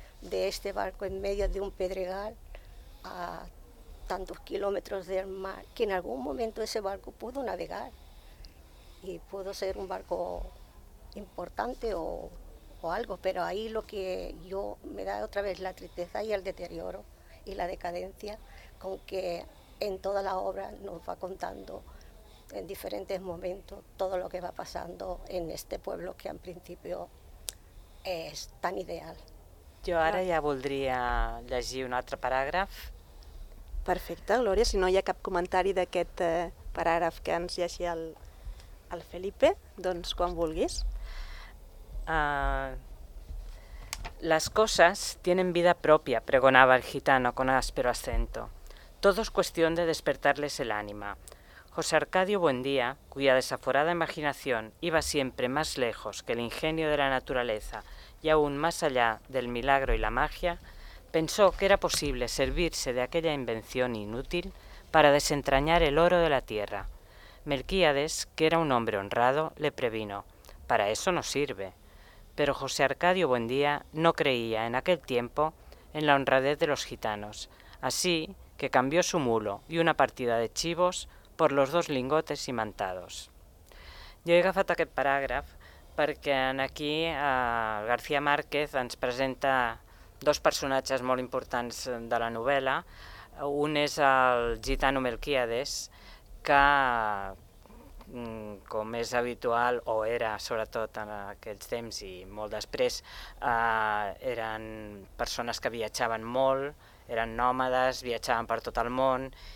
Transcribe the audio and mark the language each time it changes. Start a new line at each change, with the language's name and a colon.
Spanish: de este barco en medio de un pedregal a tantos kilómetros del mar, que en algún momento ese barco pudo navegar y pudo ser un barco importante o algo, pero ahí lo que yo me da otra vez la tristeza y el deterioro y la decadencia con que en toda la obra nos va contando en diferentes momentos todo lo que va pasando en este pueblo que en principio es tan ideal.
Catalan: Jo ara ja voldria llegir un altre paràgraf. Perfecte, Glòria, si no hi ha cap comentari d'aquest paràgraf que ens llegi el Felipe, doncs quan vulguis.
Spanish: Las cosas tienen vida propia, pregonaba el gitano con áspero acento. Todo es cuestión de despertarles el ánima. José Arcadio Buendía, cuya desaforada imaginación iba siempre más lejos que el ingenio de la naturaleza y aún más allá del milagro y la magia, pensó que era posible servirse de aquella invención inútil para desentrañar el oro de la tierra. Melquíades, que era un hombre honrado, le previno: para eso no sirve. Pero José Arcadio Buendía no creía en aquel tiempo en la honradez de los gitanos, así que cambió su mulo y una partida de chivos por los dos lingotes imantados.
Catalan: Jo he agafat aquest paràgraf perquè aquí García Márquez ens presenta dos personatges molt importants de la novel·la. Un és el gitano Melquíades, que, com és habitual, o era sobretot en aquells temps i molt després, eren persones que viatjaven molt, eren nòmades, viatjaven per tot el món,